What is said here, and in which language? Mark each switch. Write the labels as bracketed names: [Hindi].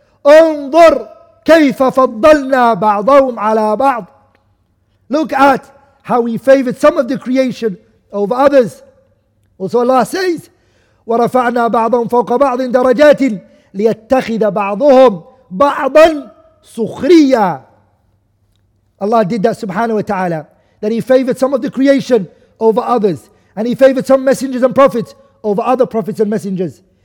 [Arabic] انظر كيف فضلنا بعضهم على بعض. [English] Look at how he favored some of the creation over others. Also Allah says, [Arabic] ورفعنا بعضهم فوق بعض درجات ليتخذ بعضهم بعضا سخريا. [English] Allah did that subhanahu wa ta'ala, that he favored some of the creation over others, and he favored some messengers and prophets over other prophets and messengers.